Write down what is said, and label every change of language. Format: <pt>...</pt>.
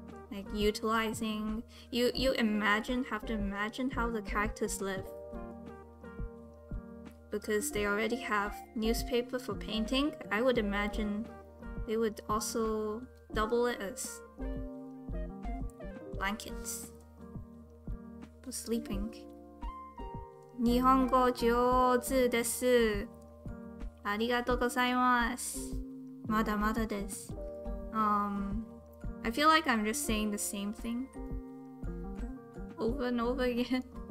<en>Like utilizing, you have to imagine how the characters live, because they already have newspaper for painting. I would imagine they would also double it as blankets for sleeping.</en> <ja>日本語上手です。ありがとうございます。まだまだです。</ja> <en>I feel like I'm just saying the same thing over and over again.</en>